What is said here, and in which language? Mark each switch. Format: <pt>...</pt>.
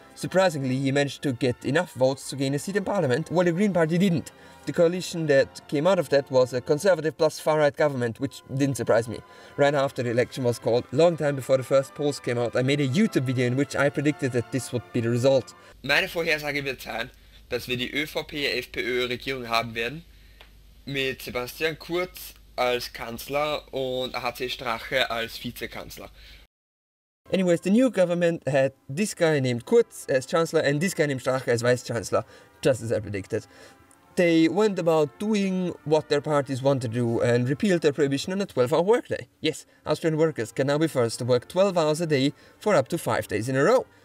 <en>Surprisingly, he managed to get enough votes to gain a seat in parliament, while the Green Party didn't. The coalition that came out of that was a conservative plus far-right government, which didn't surprise me. Right after the election was called, long time before the first polls came out, I made a YouTube video in which I predicted that this would be the result.</en> <de>Meine Vorhersage wird sein, dass wir die ÖVP-FPÖ-Regierung haben werden, mit Sebastian Kurz als Kanzler und HC Strache als Vizekanzler.</de> <en>Anyways, the new government had this guy named Kurz as chancellor and this guy named Strache as vice chancellor, just as I predicted. They went about doing what their parties wanted to do and repealed their prohibition on a 12-hour workday. Yes, Austrian workers can now be forced to work 12 hours a day for up to 5 days in a row.</en>